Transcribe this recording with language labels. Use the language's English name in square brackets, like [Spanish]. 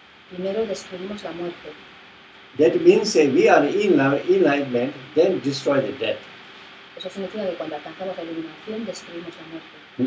[Spanish] Primero destruimos la muerte. [English] That means we are in enlightenment, then destroy the death. [Spanish] Eso significa que cuando alcanzamos la iluminación destruimos la muerte.